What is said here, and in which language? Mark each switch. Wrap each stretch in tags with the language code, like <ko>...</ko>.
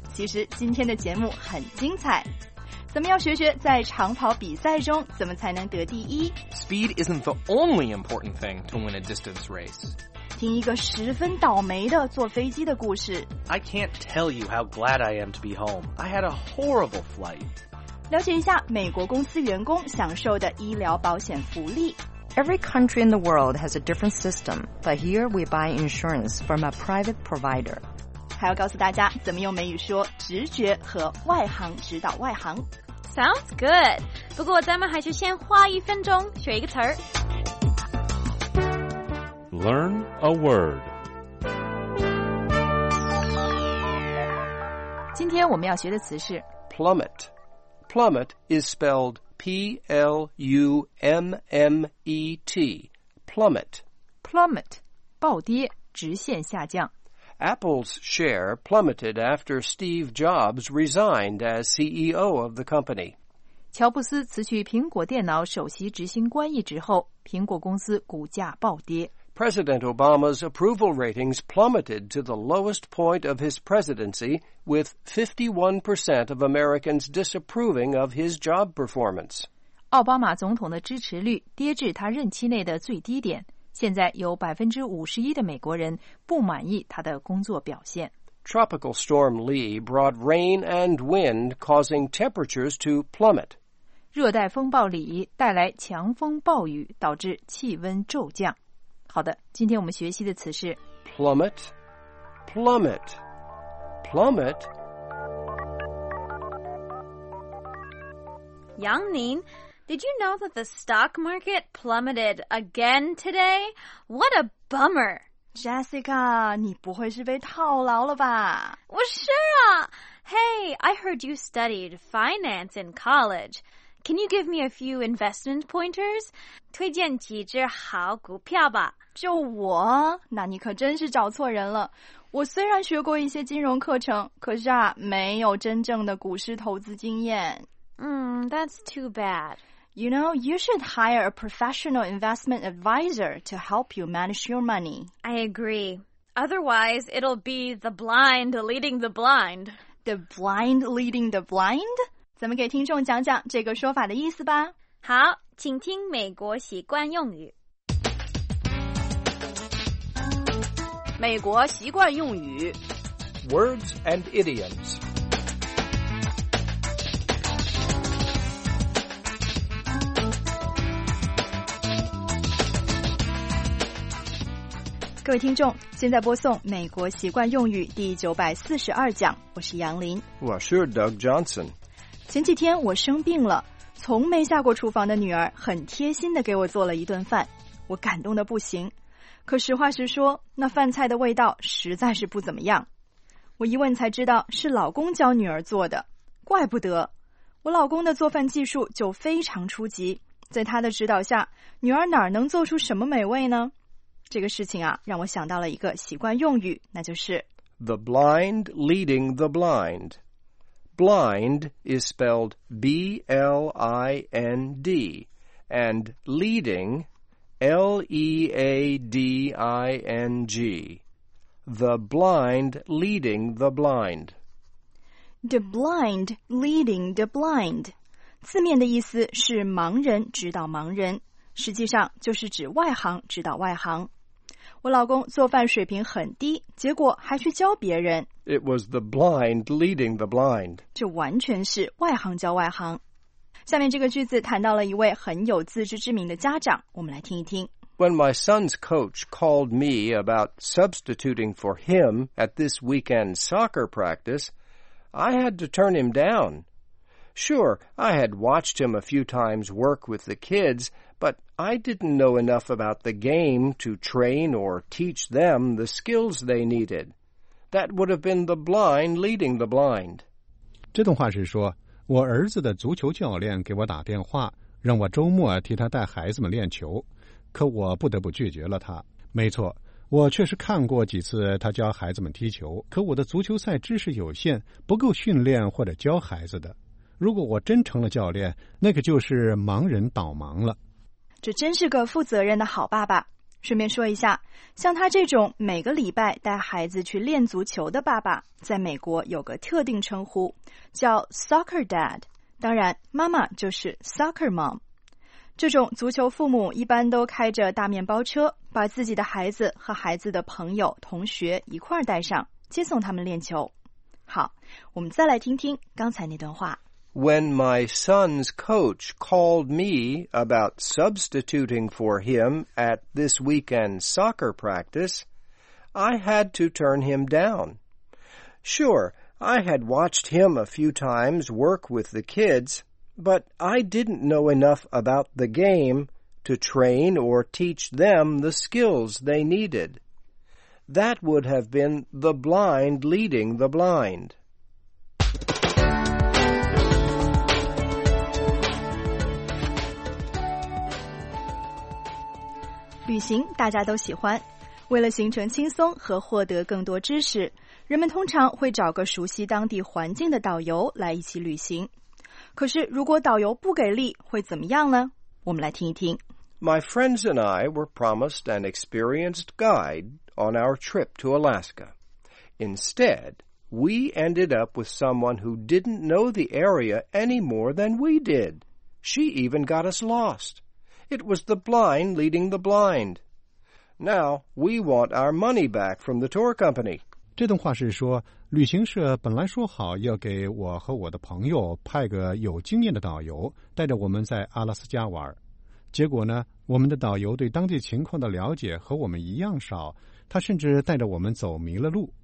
<zh>其实今天的节目很精彩。咱们要学学在长跑比赛中怎么才能得第一。</zh> <en>Speed isn't the only important thing to win a distance race.</en> <zh>听一个十分倒霉的坐飞机的故事。</zh> <en>I can't tell you how glad I am to be home. I had a horrible flight.</en> <zh>了解一下美国公司员工享受的医疗保险福利。</zh> <en>Every country in the world has a different system, but here we buy insurance from a private provider.</en> <zh>还要告诉大家怎么用美语说直觉和外行指导外行。</zh> <en>Sounds good.</en> <zh>不过咱们还是先花一分钟学一个词儿。</zh> <en>Learn a word.</en> <zh>今天我们要学的词是</zh> <en>plummet. Plummet is spelled P-L-U-M-M-E-T, plummet.</en> <zh>Plummet, 暴跌，直线下降。</zh> <en>Apple's share plummeted after Steve Jobs resigned as CEO of the company.</en> <zh>乔布斯辞去苹果电脑首席执行官一职后，苹果公司股价暴跌。</zh> <en>President Obama's approval ratings plummeted to the lowest point of his presidency, with 51% of Americans disapproving of his job performance.</en> <zh>奥巴马总统的支持率跌至他任期内的最低点，现在有51%的美国人不满意他的工作表现。</zh> <en>Tropical Storm Lee brought rain and wind, causing temperatures to plummet.</en> <zh>热带风暴里带来强风暴雨，导致气温骤降。好的，今天我们学习的词是</zh> <en>plummet, plummet, plummet. 杨宁， did you know that the stock market plummeted again today? What a bummer!</en> <zh>Jessica, 你不会是被套牢了吧？我是啊。</zh> <en>Hey, I heard you studied finance in college. Can you give me a few investment pointers?</en> <zh>推荐几只好股票吧。就我？那你可真是找错人了。我虽然学过一些金融课程，可是啊，没有真正的股市投资经验。</zh> <en>That's too bad. You know, you should hire a professional investment advisor to help you manage your money. I agree. Otherwise, it'll be the blind leading the blind. The blind leading the blind?</en> <zh>咱们给听众讲讲这个说法的意思吧。好，请听美国习惯用语。美国习惯用语</zh> <en>Words and idioms.</en> <zh>各位听众，现在播送美国习惯用语第942讲，我是杨林。我是 Doug Johnson。前几天我生病了，从没下过厨房的女儿很贴心地给我做了一顿饭，我感动得不行。可实话实说，那饭菜的味道实在是不怎么样。我一问才知道是老公教女儿做的，怪不得。我老公的做饭技术就非常初级，在他的指导下，女儿哪能做出什么美味呢？这个事情啊，让我想到了一个习惯用语，那就是</zh> <en>The blind leading the blind. Blind is spelled B-L-I-N-D, and leading... L-E-A-D-I-N-G. The blind leading the blind. The blind leading the blind.</en> <zh>字面的意思是盲人指导盲人，实际上就是指外行指导外行。我老公做饭水平很低，结果还去教别人。</zh> <en>It was the blind leading the blind.</en> <zh>这完全是外行教外行。下面这个句子谈到了一位很有自知之明的家长，我们来听一听。</zh> <en>When my son's coach called me about substituting for him at this weekend soccer practice, I had to turn him down. Sure, I had watched him a few times work with the kids, but I didn't know enough about the game to train or teach them the skills they needed. That would have been the blind leading the blind.</en> <zh>这段话是说，我儿子的足球教练给我打电话，让我周末替他带孩子们练球，可我不得不拒绝了他。没错，我确实看过几次他教孩子们踢球，可我的足球赛知识有限，不够训练或者教孩子的。如果我真成了教练，那可就是盲人导盲了。这真是个负责任的好爸爸。顺便说一下，像他这种每个礼拜带孩子去练足球的爸爸，在美国有个特定称呼，叫 soccer dad。当然，妈妈就是 soccer mom。这种足球父母一般都开着大面包车，把自己的孩子和孩子的朋友、同学一块儿带上，接送他们练球。好，我们再来听听刚才那段话。</zh> <en>When my son's coach called me about substituting for him at this weekend soccer practice, I had to turn him down. Sure, I had watched him a few times work with the kids, but I didn't know enough about the game to train or teach them the skills they needed. That would have been the blind leading the blind.</en> <zh>旅行大家都喜欢，为了行程轻松和获得更多知识，人们通常会找个熟悉当地环境的导游来一起旅行。可是如果导游不给力会怎么样呢？我们来听一听。</zh> <en>My friends and I were promised an experienced guide on our trip to Alaska. Instead, we ended up with someone who didn't know the area any more than we did. She even got us lost. It was the blind leading the blind. Now, we want our money back from the tour company.</en> <zh>这段话是说，旅行社本来说好要给我和我的朋友派个有经验的导游，带着我们在阿拉斯加玩。结果呢，我们的导游对当地情况的了解和我们一样少，他甚至带着我们走迷了路。</zh>